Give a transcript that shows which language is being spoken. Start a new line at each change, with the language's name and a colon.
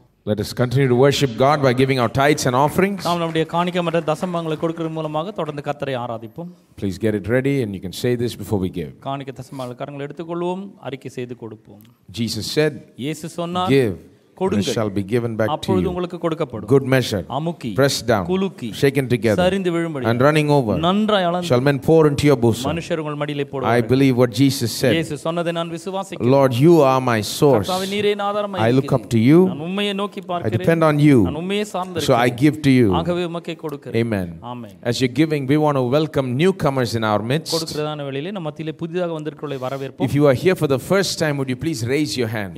English: Let us continue to worship God by giving our tithes and offerings.
Tamil: நாம் நம்முடைய காணிக்கை மற்றும் தசமங்களை கொடுக்கிறது மூலமாக தொடர்ந்து கர்த்தரை ஆராதிப்போம்.
English: Please get it ready and you can say this before we give.
Tamil: காணிக்கை தசமங்களை கரங்களை எடுத்துக்கொள்வோம், அறிக்கை செய்து கொடுப்போம்.
English: Jesus said,
Tamil: இயேசு சொன்னார்,
English: give. And it shall be given back to you.
Tamil: உங்களுக்கு கொடுக்கப்படும்.
English: Good measure.
Tamil: அமுக்கி.
English: Pressed down.
Tamil: குலுக்கி.
English: Shaken together.
Tamil: சரிந்து விழும்படி.
English: And running over.
Tamil: நன்றாய் அளந்து.
English: Shall men pour into your bosom.
Tamil: மனுஷர்கள் மடியிலே போடும்.
English: I believe what Jesus said.
Tamil: இயேசு சொன்னதை நான் விசுவாசிக்கிறேன்.
English: Lord, you are my source.
Tamil: கர்த்தாவே நீரே என் ஆதாரமாய் இருக்கிறீர்.
English: I look up to you.
Tamil: நான் உம்மையே நோக்கி பார்க்கிறேன்.
English: I depend on you.
Tamil: நான் உம்மையே சார்ந்திருக்கிறேன்.
English: So I give to you.
Tamil: ஆகவே உம்மக்கே கொடுக்கிறேன்.
English: Amen. Amen. As you're giving, we want to welcome newcomers in our midst.
Tamil: கொடுக்கிறதான வேளையிலே நம்ம மத்தியிலே புதிதாக வந்திருக்கிறவர்களை வரவேற்போம்.
English: If you are here for the first time, would you please raise your hand?